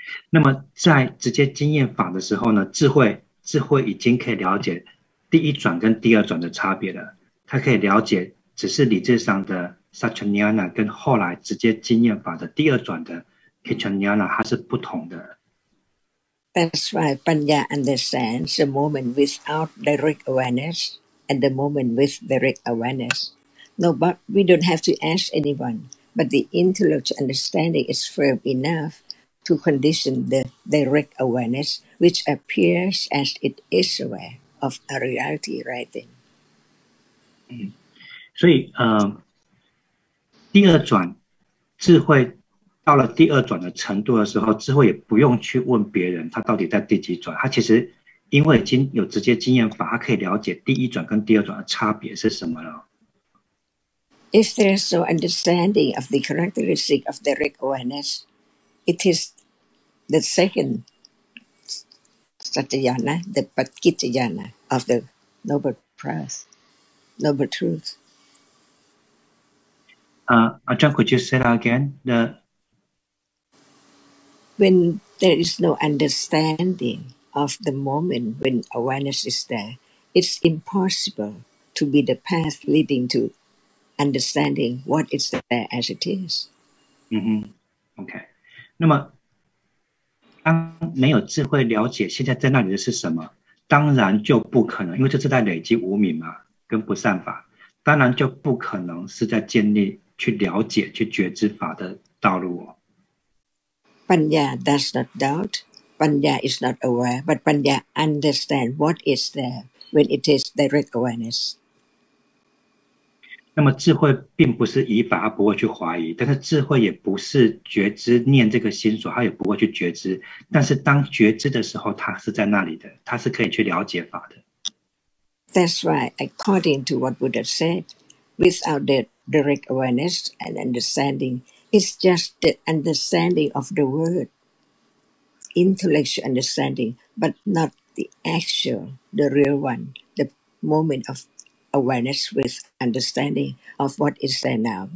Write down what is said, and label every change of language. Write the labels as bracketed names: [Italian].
[Chinese] 那么在直接经验法的时候呢，智慧已经可以了解第一转跟第二转的差别了。它可以了解只是理智上的 satyana 跟后来直接经验法的第二转的。 Kichanyana 它是不同的。 [English] That's why Panya understands the moment without direct awareness and the moment with direct awareness. No, but we don't have to ask anyone. But the intellectual understanding is firm enough to condition the direct awareness, which appears as it is aware of a reality right then. [Chinese] 所以，第二转智慧。到了第二转的程度的时候，智慧也不用去问别人他到底在第几转，他其实因为已经有直接经验法，他可以了解第一转跟第二转的差别是什么了。 [English] If there is no understanding of the characteristic of direct awareness, it is the second satyana, the patkityana of the noble truth, noble truth. John, could you say that again? When there is no understanding of the moment when awareness is there, it's impossible to be the path leading to understanding what is there as it is. Okay. [Chinese] 那么，当没有智慧了解现在在那里的是什么，当然就不可能，因为这是在累积无明嘛，跟不善法，当然就不可能是在建立去了解去觉知法的道路哦。 [English] Panya does not doubt, Panya is not aware, but Panya understands what is there when it is direct awareness. [Chinese] 那么智慧并不是以法，他不会去怀疑，但是智慧也不是觉知念这个心所，他也不会去觉知，但是当觉知的时候，他是在那里的，他是可以去了解法的。 [English] That's why, according to what Buddha said, without the direct awareness and understanding, it's just the understanding of the word, intellectual understanding, but not the actual, the real one, the moment of awareness with understanding of what is there now.